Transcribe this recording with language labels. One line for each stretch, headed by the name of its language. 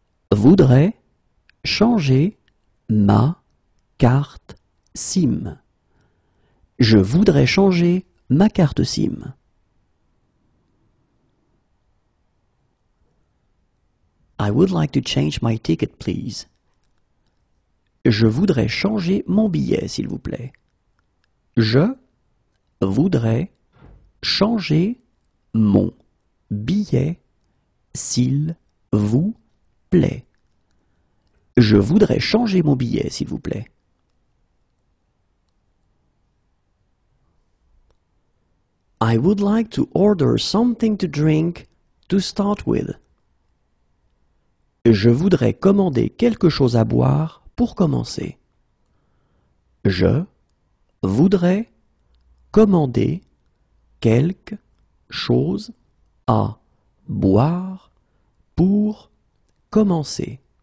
French: voudrais changer ma carte SIM. Je voudrais changer ma carte SIM.
English: I would like to change my ticket, please.
French: Je voudrais changer mon billet, s'il vous plaît. Je voudrais changer mon billet, s'il vous plaît. Je voudrais changer mon billet, s'il vous plaît.
English: I would like to order something to drink to start with.
French: Je voudrais commander quelque chose à boire pour commencer. Je voudrais commander quelque chose à boire pour commencer.